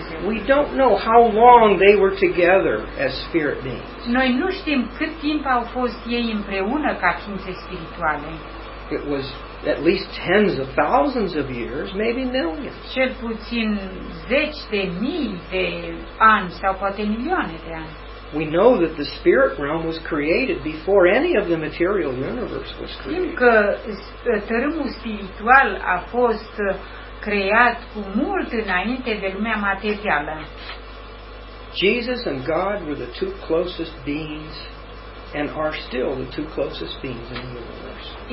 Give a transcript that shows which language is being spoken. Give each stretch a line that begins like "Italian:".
English: We don't know how long they were together as spirit beings.
Romanian: Noi nu știm cât timp au fost ei împreună ca ființe spirituale.
English: It was at least tens of thousands of years, maybe millions.
Romanian: Cel puțin zeci de mii de ani sau poate milioane de ani.
English: We know that the spirit realm was created before any of the material universe was created.
Romanian: Știm că tărâmul spiritual a fost creat cu mult înainte de lumea materială.
English: Jesus and God were the two closest beings and are still the two closest beings in the universe.